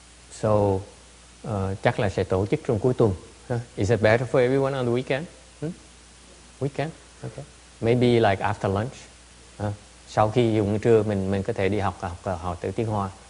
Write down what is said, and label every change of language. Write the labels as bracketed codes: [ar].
[vi] So chắc là sẽ tổ chức trong cuối tuần. [en] Is it better for everyone on the weekend? Weekend, okay. Maybe like after lunch. [vi] Sau khi dùng trưa mình có thể đi học từ tiếng Hoa.